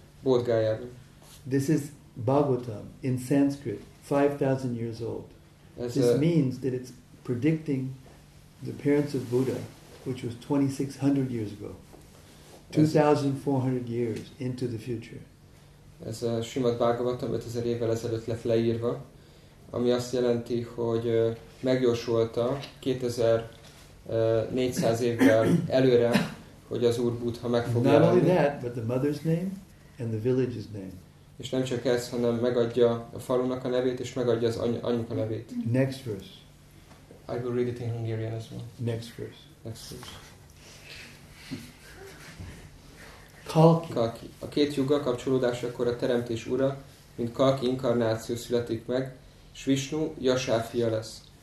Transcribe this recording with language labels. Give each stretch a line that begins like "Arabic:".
Hungarian: Bodh Gayában.
English: This is Bhagavatam in Sanskrit, 5,000 years old.
Hungarian: Ez
English: This means that it's predicting the appearance of Buddha, which was 2,600 years ago. 2,400 years into the future.
Hungarian: ez a Srimad Bhagavatam 5000 évvel ezelőtt lett leírva, ami azt jelenti, hogy megjósolta 2400 évvel előre, hogy az Úr Buddha meg fog jelenni.
English: Not only that, but the mother's name and the village's name.
Hungarian: És nem csak ez, hanem megadja a falunak a nevét, és megadja az anyuka nevét.
English: Next verse. I will read it in Hungarian as well. Next verse. Next verse. Kalki.
Hungarian: Kalki. A két yuga kapcsolódásakor a teremtés ura, mint Kalki inkarnáció születik meg, s Vishnu Yasa fia lesz.